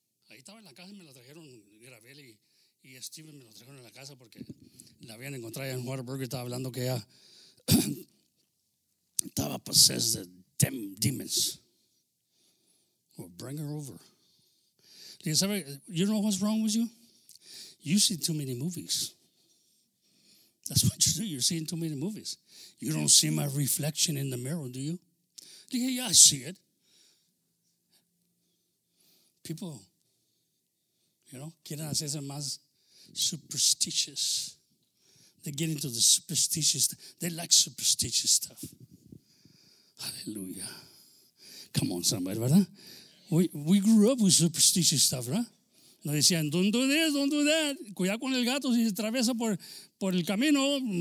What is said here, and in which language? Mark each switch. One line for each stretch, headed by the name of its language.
Spanish: Ahí estaba en la casa y me la trajeron, Gravel y Steven me la trajeron en la casa porque la habían encontrado allá en Waterburger y estaba hablando que ella estaba possessed de demons.
English: Bring her over. Do you know what's wrong with you? You see too many movies. That's what you do. You're seeing too many movies. You don't see my reflection in the mirror, do you? Yeah, yeah, I see it. People, you know,
Spanish: quieren hacerse más
English: superstitious. They get into the superstitious. They like superstitious stuff. Hallelujah. Come on, somebody, ¿verdad? We grew up with superstitious stuff, right?
Spanish: Nos decían,
English: don't do this, don't do that.
Spanish: Cuidado con el gato si se atraviesa por el camino.